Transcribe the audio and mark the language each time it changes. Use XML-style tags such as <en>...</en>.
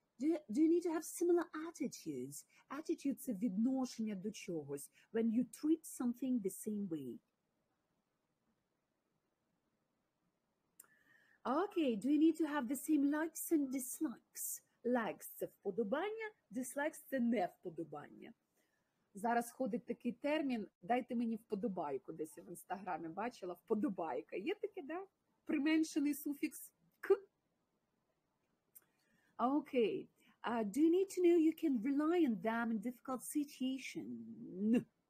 <en>Do you need to have similar attitudes? Attitude –</en> <uk>це відношення до чогось,</uk> <en>when you treat something the same way. Okay, do you need to have the same likes and dislikes?</en> <uk>Likes – це вподобання, dislikes – це не вподобання. Зараз ходить такий термін, дайте мені вподобайку, десь я в інстаграмі бачила, вподобайка. Є таке, да? Применшений суфікс.</uk> <en>Okay, do you need to know you can rely on them in difficult situations?</en>